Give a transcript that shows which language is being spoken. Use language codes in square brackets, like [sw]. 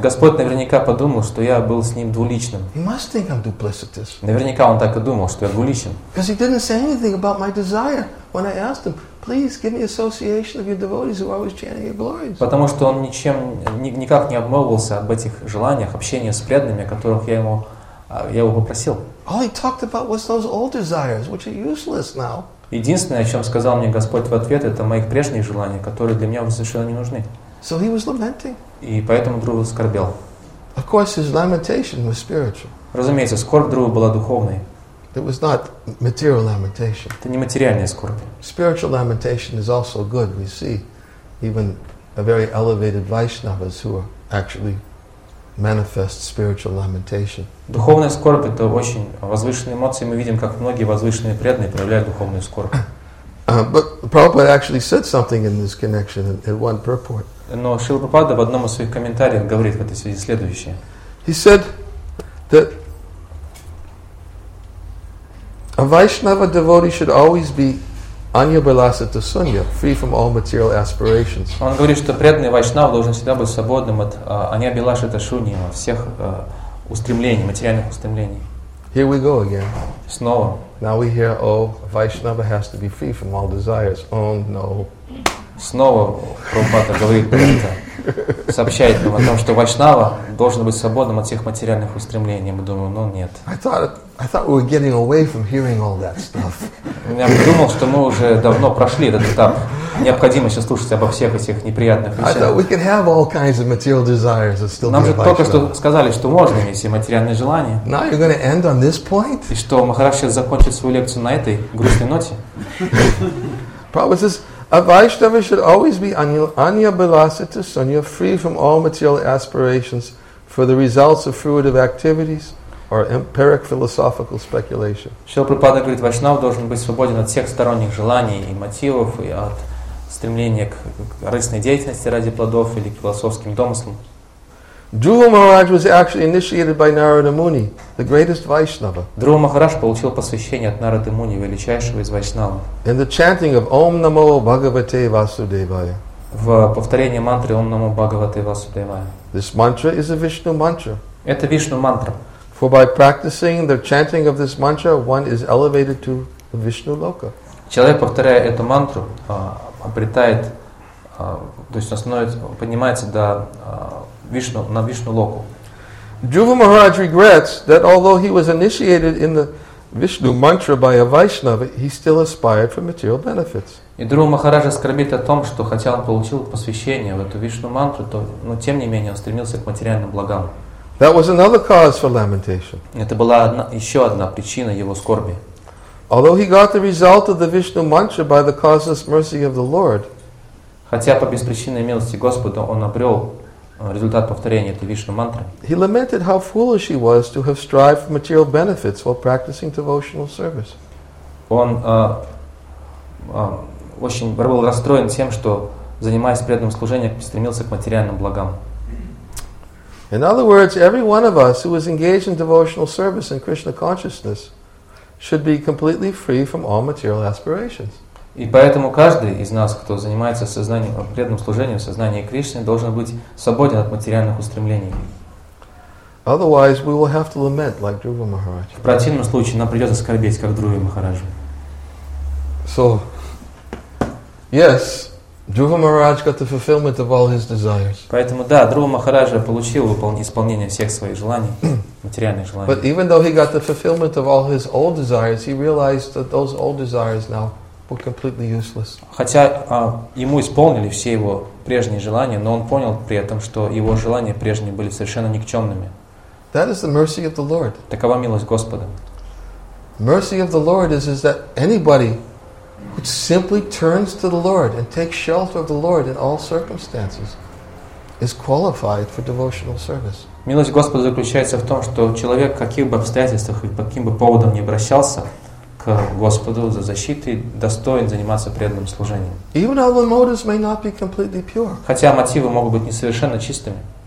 [ru] Господь наверняка подумал, что я был с ним двуличным. [en] He must think I'm duplicitous. [ru] Наверняка он так и думал, что я двуличен. [en] Because he didn't say anything about my desire when I asked him, please give me association of your devotees who always chanting your glories. [ru] Потому что он ничем никак не обмолвился об этих желаниях общения с преданными, которых я его попросил. [en] All he talked about was those old desires, which are useless now. [ru] Единственное, о чем сказал мне Господь в ответ, это мои прежние желания, которые для меня совершенно не нужны. [en] So he was lamenting. [ru] И поэтому Друг скорбел. [en] Of course, his lamentation was spiritual. [ru] Разумеется, скорбь Друга была духовной. [en] It was not material lamentation. [ru] Это не материальная скорбь. [en] Spiritual lamentation is also good. We see even a very elevated Vaishnavas who are actually manifest spiritual lamentation. [ru] Духовная скорбь — это очень возвышенные эмоции. Мы видим, как многие возвышенные преданные проявляют духовную скорбь. [en] But Prabhupada actually said something in this connection in one purport. [ru] Но Шрила Прабхупада в одном из своих комментариев говорит в этой связи следующее. [en] He said that a Vaishnava devotee should always be anya balasita sunya, free from all material aspirations. [ru] Он говорит, что преданный вайшнав должен всегда быть свободным от [sa] anya balasita sunya, [ru] всех устремлений, материальных устремлений. [en] Here we go again. [ru] Снова. [en] Now we hear, oh, Vaishnava has to be free from all desires. Oh no. [ru] Снова Прабхупада говорит про это, сообщает нам о том, что вайшнава должен быть свободным от всех материальных устремлений. Мы думаем, ну нет. [en] I thought we were getting away from hearing all that stuff. [ru] Я подумал, что мы уже давно прошли этот этап. Необходимо сейчас слушать обо всех этих неприятных вещах. [en] I thought we could have all kinds of material desires and still be a vaishnava. [ru] Нам же только что сказали, что можно иметь все материальные желания. [en] Now you're going to end on this point? [ru] И что, Махарадж сейчас закончит свою лекцию на этой грустной ноте? [en] Prabhupada says, a Vaishnava should always be anya balasita sunya, free from all material aspirations, for the results of fruitive activities or empiric philosophical speculation. [ru] Шрила Прабхупада говорит, вайшнав должен быть свободен от всех сторонних желаний и мотивов, и от стремления к корыстной деятельности ради плодов или к философским домыслам. [en] Dhruva Maharaj was actually initiated by Narada Muni, the greatest Vaishnava. Dhruva Maharaj [ru] получил посвящение от Нарады Муни, величайшего из вайшнава. [en] In the chanting of Om Namo Bhagavate Vasudevaya. [ru] В повторении мантры [sa] Om Namo Bhagavate Vasudevaya. [en] This mantra is a Vishnu mantra. [ru] Это Вишну мантра. [en] For by practicing the chanting of this mantra, one is elevated to the Vishnu loka. [ru] Человек, повторяя эту мантру, обретает, то есть он становится, поднимается до Вишну, на Вишну Локу. [en] Dhruva Maharaj regrets that although he was initiated in the Vishnu mantra by a Vaishnava, he still aspired for material benefits. [ru] И Друва Махараджа скорбит о том, что хотя он получил посвящение в эту Вишну мантру, но тем не менее он стремился к материальным благам. [en] That was another cause for lamentation. [ru] Это была еще одна причина его скорби. [en] Although he got the result of the Vishnu mantra by the causeless mercy of the Lord, [ru] хотя по беспричинной милости Господа он обрел результат повторения этой вишну мантры. [en] He lamented how foolish he was to have strived for material benefits while practicing devotional service. [ru] Он очень был расстроен тем, что занимаясь преданным служением, стремился к материальным благам. [en] In other words, every one of us who is engaged in devotional service and Krishna consciousness should be completely free from all material aspirations. [ru] И поэтому каждый из нас, кто занимается сознанием, преданным служением, сознанием Кришны, должен быть свободен от материальных устремлений. [en] Otherwise, we will have to lament like Dhruva Maharaj. [ru] В противном случае нам придется скорбеть, как Дхрува Махарадж. [en] So, yes, Dhruva Maharaj got the fulfillment of all his desires. [ru] Поэтому да, Дхрува Махарадж получил исполнение всех своих желаний. [en] But even though he got the fulfillment of all his old desires, he realized that those old desires now were completely useless. [ru] Хотя ему исполнили все его прежние желания, но он понял при этом, что его желания прежние были совершенно никчемными. [en] That is the mercy of the Lord. [ru] Такова милость Господа. [en] Mercy of the Lord is that anybody who simply turns to the Lord and takes shelter of the Lord in all circumstances is qualified for devotional service. [ru] Милость Господа заключается в том, что человек, каких бы обстоятельствах и по каким бы поводам ни обращался к Господу за защитой, достоин заниматься преданным служением. [en] Even though the motives may not be completely pure. [ru] Хотя мотивы могут быть не совершенно чистыми.